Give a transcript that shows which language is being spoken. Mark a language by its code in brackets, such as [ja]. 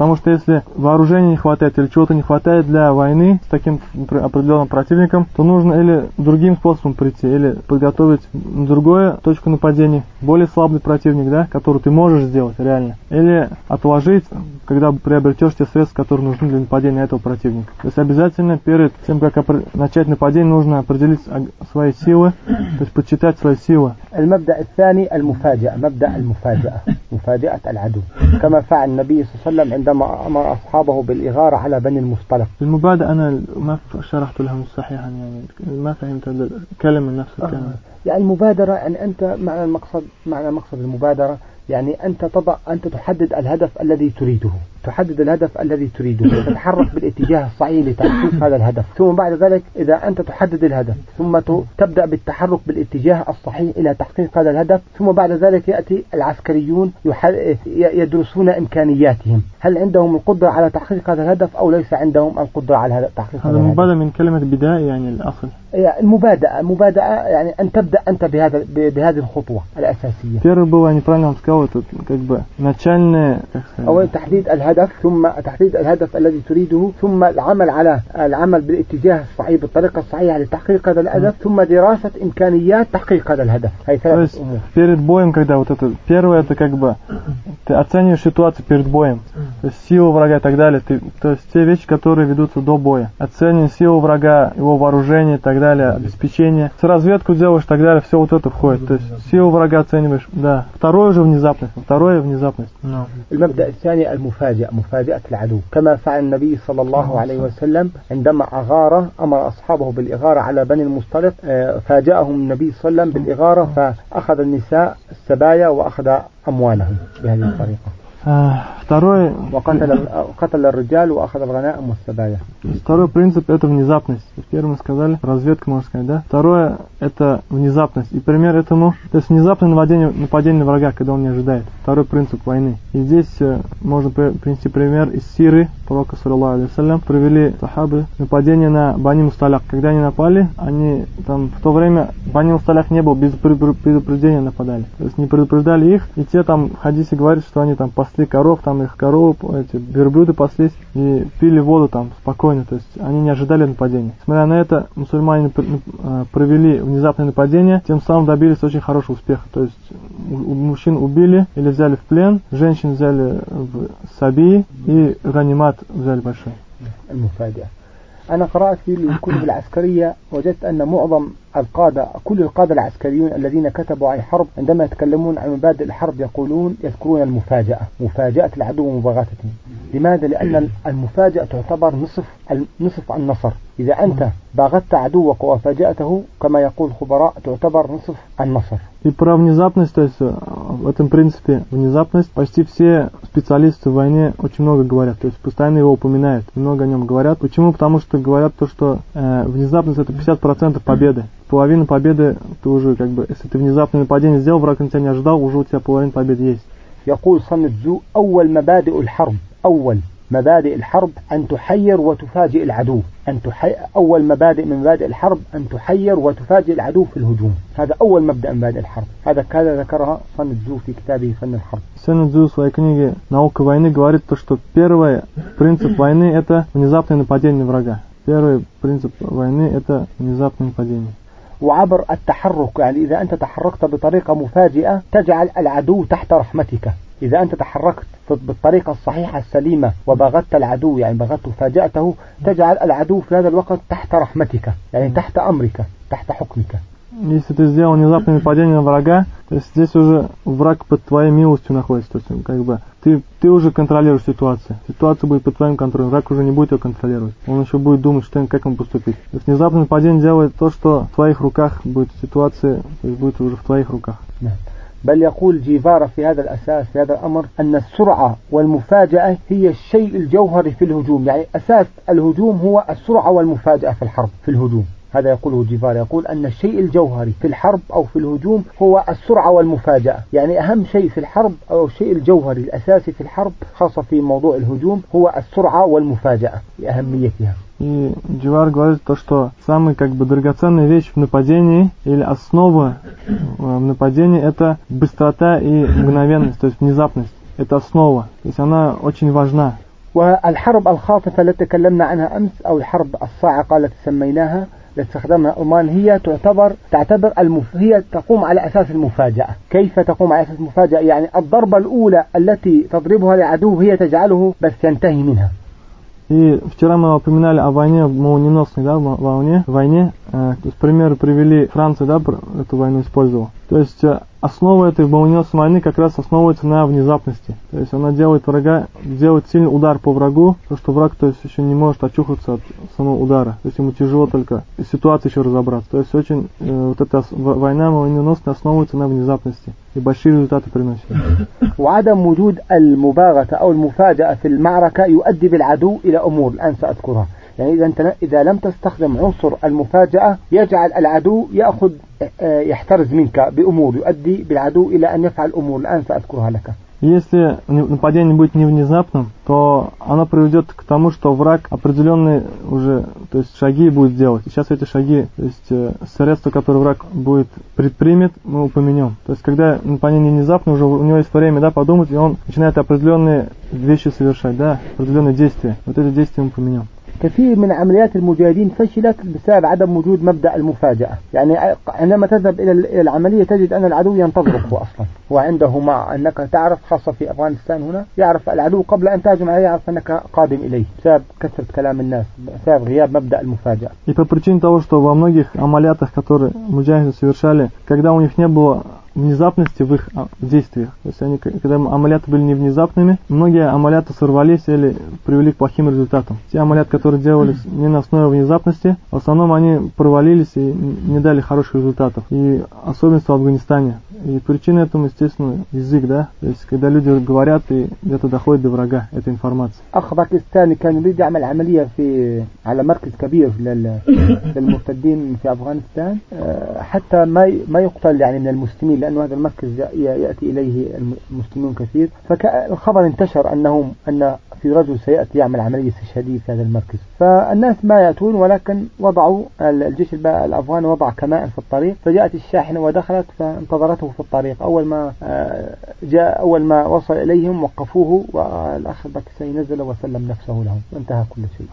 [ru] Потому что если вооружения не хватает или чего-то не хватает для войны с таким, например, определенным противником, то нужно или другим способом прийти, или подготовить другую точку нападения, более слабый противник, да, который ты можешь сделать реально, или отложить, когда приобретешь те средства, которые нужны для нападения этого противника. То есть обязательно перед тем, как начать нападение, нужно определить свои силы, то есть подсчитать свои силы. [ar] المبدأ الثاني المفاجأة، مبدأ المفاجأة، مفاجأة العدو، كما فعل النبي صلى الله عليه وسلم عندما أمر أصحابه بالإغارة على بني المصطلق. المبادئ أنا ما شرحت لهم صحيحا، يعني ما فهمت الكلمة نفس الكلمة. يعني المبادرة، يعني أنت معنى المقصد، معنى مقصد المبادرة يعني أنت تضع، أنت تحدد الهدف الذي تريده، تحدد الهدف الذي تريده وتتحرك بالاتجاه الصحيح لتحقيق هذا الهدف. ثم بعد ذلك إذا أنت تحدد الهدف ثم تبدأ بالتحرك بالاتجاه الصحيح إلى تحقيق هذا الهدف، ثم بعد ذلك يأتي العسكريون يدرسون إمكانياتهم، هل عندهم القدرة على تحقيق هذا الهدف أو ليس عندهم القدرة على تحقيق هذا الهدف. المبادئ من كلمة بداء يعني الأصل، المبادئة، مبادئة يعني أن تبدأ أنت بهذا بهذه الخطوة الأساسية. [ru] первое [ar] يعني [ru] правильно сказать как бы начальное [ar] أول تحديد الهدف، ثم تحديد الهدف الذي تريده، ثم العمل على العمل بالاتجاه الصحيح بالطريقة الصحيحة لتحقيق هذا الهدف، ثم دراسة إمكانيات تحقيق هذا الهدف. هاي ثلاث أمور. [ru] перед боем когда вот это первое это как бы ты оцениваешь ситуацию перед боем силу врага и так далее ты то есть те вещи которые ведутся до боя оцениваешь силу врага его вооружение и так далее обеспечение с разведку делаешь и так далее все вот это входит то есть силу врага оцениваешь да второе уже внезапность второе внезапность [ar] المبدأ الثاني المفاجئ مفاجئة العدو كما فعل النبي صلى الله عليه وسلم عندما أغار أمر أصحابه بالإغارة على بني المصطلق فاجأهم النبي صلى الله عليه وسلم بالإغارة فأخذ النساء السبايا وأخذ أموالهم بهذه الطريقة [ru] второе [ar] وقتل الرجال واخذ الغنائم والسبايا [ru] второй принцип это внезапность первым сказали разведка можно сказать да второе это внезапность и пример этому то есть внезапное нападение врага когда он не ожидает второй принцип войны и здесь можно принести пример из сиры пророка [ar] саллаллаху алейхи ва саллям [ru] провели сахабы нападение на бани мусталях когда они напали они там в то время бани мусталях не было без предупреждения нападали то есть не предупреждали их и те там хадисы говорят что они там пасли коров, там их коровы, эти верблюды паслись и пили воду там спокойно, то есть они не ожидали нападения. Несмотря на это, мусульмане провели внезапное нападение, тем самым добились очень хорошего успеха, то есть мужчин убили или взяли в плен, женщин взяли в саби и ганимат взяли большой. [ar] أنا قرأت في الكتب العسكرية وجدت أن معظم القادة كل القادة العسكريون الذين كتبوا عن الحرب عندما يتكلمون عن مبادئ الحرب يقولون يذكرون المفاجأة مفاجأة العدو ومباغتته لماذا؟ لأن المفاجأة تعتبر نصف النصر إذا أنت باغت عدوك وفاجأته كما يقول الخبراء تعتبر نصف النصر [ru] И про внезапность, то есть в этом принципе внезапность, почти все специалисты в войне очень много говорят, то есть постоянно его упоминают, много о нем говорят. Почему? Потому что говорят то, что внезапность это 50% победы. Половина победы, ты уже как бы, если ты внезапное нападение сделал, враг на тебя не ожидал, уже у тебя половина победы есть. [ar] يقول سن تزو أول مبادئ الحرب أول مبادئ الحرب أن تحير وتفاجئ العدو أن أول مبادئ من مبادئ الحرب أن تحير وتفاجئ العدو في الهجوم هذا أول مبدأ مبادئ الحرب هذا كذا ذكرها سن تزو في كتابه فن الحرب [ru] سن تزو في своей книге «Наука войны» говорит то, что первый принцип войны – это внезапное нападение врага. Первый принцип войны – это внезапное нападение. [ar] وعبر التحرك يعني إذا أنت تحركت بطريقة مفاجئة تجعل العدو تحت رحمتك إذا أنت تحركت بالطريقة الصحيحة السليمة وباغت العدو يعني باغت وفاجأته تجعل العدو في هذا الوقت تحت رحمتك يعني تحت أمرك تحت حكمك [ru] Если ты сделал внезапное нападение на врага, то есть здесь уже враг под твоей милостью находится. То есть как бы ты уже контролируешь ситуацию. Ситуация будет под твоим контролем. Враг уже не будет ее контролировать. Он еще будет думать, что как ему поступить. То есть внезапное нападение делает то, что в твоих руках будет ситуация, то есть будет уже в твоих руках. [ar] بل يقول جيفارا في هذا الأساس في هذا الأمر أن السرعة والمفاجأة هي الشيء الجوهري في الهجوم يعني أساس الهجوم هو السرعة والمفاجأة في الحرب في الهجوم هذا يقوله جيفارا يقول أن الشيء الجوهري في الحرب أو في الهجوم هو السرعة والمفاجأة يعني أهم شيء في الحرب أو الشيء الجوهري الأساسي في الحرب خاصة في موضوع الهجوم هو السرعة والمفاجأة لأهميتها [ru] И Дживар говорит то, что самая как бы драгоценная вещь в нападении или основа в нападении это быстрота и мгновенность, то есть внезапность. Это основа, то есть она очень важна. [ar] والحرب الخاطفة التي تكلمنا عنها أمس أو الحرب الصاعقة التي سميناها التي استخدمها أمان هي تعتبر هي تقوم على أساس المفاجأة كيف تقوم على أساس المفاجأة يعني الضربة الأولى التي تضربها العدو هي تجعله بس ينتهي منها [ru] И вчера мы упоминали о войне молниеносной, да, войне. То есть примеры привели, Франция, да, эту войну использовала. То есть основа этой молниеносной войны как раз основывается на внезапности. То есть она делает врага, делает сильный удар по врагу, то что враг, то есть, еще не может очухаться от самого удара. То есть ему тяжело только ситуацию еще разобраться. То есть очень вот эта война молниеносная основывается на внезапности и большие результаты приносит. [ar] وعدم وجود المباغة أو المفاجأة في المعركة يؤدي بالعدو إلى أمور الآن سأذكرها. يعني إذا لم تستخدم عنصر المفاجأة يجعل العدو يأخذ يحترز منك بأمور يؤدي بالعدو إلى أن يفعل أمور الآن سأذكرها لك. [ru] Если нападение будет не внезапным, то оно приведет к тому, что враг определенные уже, то есть шаги будет делать. И сейчас эти шаги, то есть средства, которые враг будет предпримет, мы упомянем. То есть когда нападение внезапно, уже у него есть время, да, подумать, и он начинает определенные вещи совершать, да, определенные действия. Вот эти действия мы упомянем. [ar] كثير من عمليات المجاهدين فشلت بسبب عدم وجود مبدأ المفاجأة. يعني عندما تذهب إلى العملية تجد أن العدو ينتظرك أصلاً. هو عنده مع أنك تعرف خاصة في أفغانستان هنا يعرف العدو قبل أن تهجم عليه يعرف أنك قادم إليه. بسبب كثرة كلام الناس بسبب غياب مبدأ المفاجأة. [ru] И по причине того, что во многих амалиатах, которые мужчины совершали, когда у них не было внезапности в их действиях. То есть они, когда амалиаты были не внезапными, многие амалиаты сорвались или привели к плохим результатам. Те амалиаты, которые делались не на основе внезапности, в основном они провалились и не дали хороших результатов. И особенность в Афганистане. И причина этому, естественно, язык, да? То есть когда люди говорят и где-то доходит до врага эта информация. Ах, Пакистан, я не видел, [ar] амалия амалия фи аля маркиз кабир для муртаддин фи Афганистан. Хатта ма юктал, яни, мин аль-мусти لأنه هذا المركز يأتي إليه المسلمون كثير فالخبر انتشر أنهم أن في رجل سيأتي يعمل عملية استشهادية في هذا المركز فالناس ما يأتون ولكن وضعوا الجيش الأفغاني وضع كمائن في الطريق فجاءت الشاحنة ودخلت فانتظرته في الطريق أول ما جاء أول ما وصل إليهم وقفوه والأخ باكستاني نزل وسلم نفسه لهم وانتهى كل شيء